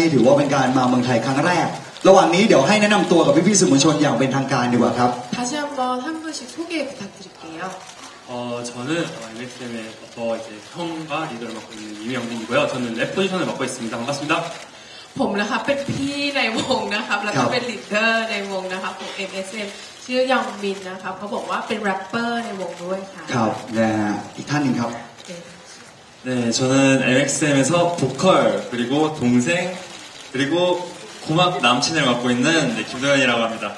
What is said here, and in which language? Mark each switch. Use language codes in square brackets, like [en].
[th] ใกล้ชิดกันอีกสักนิดนึงให้พี่ๆเขาได้เก็บภาพกันสักหน่อยและเพราะว่านี่ถือว่าเป็นการมาเมืองไทยครั้งแรก ระหว่างนี้เดี๋ยวให้แนะนำตัวกับพี่ๆสื่อมวลชนอย่างเป็นทางการดีกว่าครับ [ko] 다시 한번 한 분씩 소개 부탁드릴게요. 저는 MXM의 버퍼 이제 형과 리더를 맡고 있는 이명민이고요. 저는 랩 포지션을 맡고 있습니다. 반갑습니다. [th] ผมนะครับเป็นพี่ในวงนะครับแล้วก็เป็นลีดเดอร์ในวงนะครับของ MXM ชื่อยองมินนะครับเขาบอกว่าเป็นแรปเปอร์ในวงด้วยค่ะครับและอีกท่านหนึ่งครับ [ko] 네, 저는 MXM에서 보컬 그리고 동생 그리고 고막 남친을 맡고 있는 네, 김도현이라고 합니다.